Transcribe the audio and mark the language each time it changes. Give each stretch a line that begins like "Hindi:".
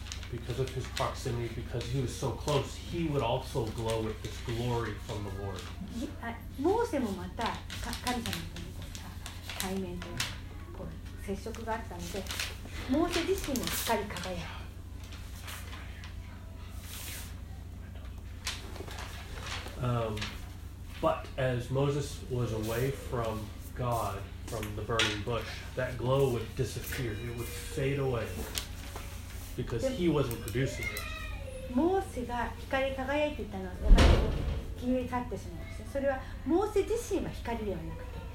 English: Because of his proximity, because he was so close, he would also glow with this glory from the Lord.
Japanese: モーセもまた神様に対面で接触があったので、モーセ自身も光り輝く。
English: But as Moses was away from God, from the burning bush, that glow would disappear. It would fade away because he wasn't producing it.
Japanese: モーセが光り輝いていたのは、やっぱり消え去ってしまうんです。それはモーセ自身は光ではなく。